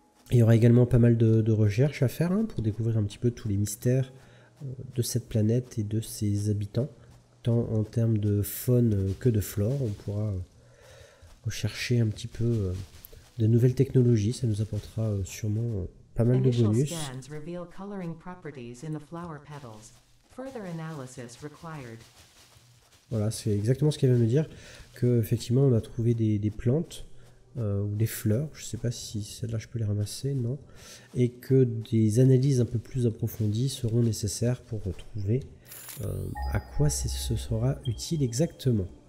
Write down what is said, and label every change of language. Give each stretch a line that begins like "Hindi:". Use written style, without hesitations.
French: Il y aura également pas mal de recherches à faire hein, pour découvrir un petit peu tous les mystères de cette planète et de ses habitants. Tant en termes de faune que de flore, on pourra rechercher un petit peu de nouvelles technologies, ça nous apportera sûrement pas mal de bonus.
English: Initial scans reveal coloring properties in the flower petals. Further analysis required.
French: Voilà, c'est exactement ce qu'elle vient de me dire, qu'effectivement on a trouvé des plantes ou des fleurs, je ne sais pas si celles-là je peux les ramasser, non, et que des analyses un peu plus approfondies seront nécessaires pour retrouver à quoi ce sera utile exactement.